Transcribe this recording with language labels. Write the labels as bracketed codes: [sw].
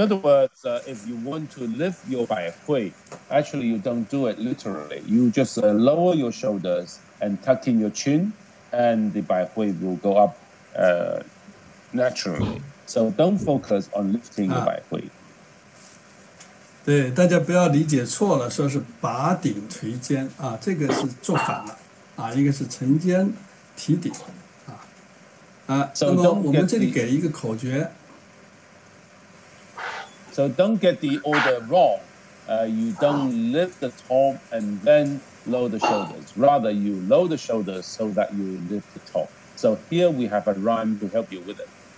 [en] other words, if you want to lift your 百会, actually you don't do it literally. You just lower your shoulders and tuck in your chin, and the 百会 will go up naturally. So don't focus on lifting the 百会. [zh] 对，大家不要理解错了，说是拔顶垂肩，这个是做反了，一个是沉肩提顶。 [en] So [zh] 那么我们这里给一个口诀。 [en] So don't get the order wrong. You don't lift the top and then lower the shoulders. Rather, you lower the shoulders so that you lift the top. So here we have a rhyme to help you with it.